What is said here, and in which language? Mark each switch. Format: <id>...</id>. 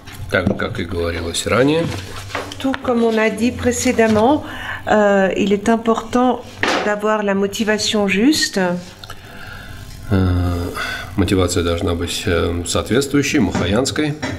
<ru>Так, как и говорилось ранее.</ru> <fr>Tout comme on a dit précédemment, il est important d'avoir la motivation juste.</fr> <ru>Мотивация должна быть соответствующей, махаянской.</ru>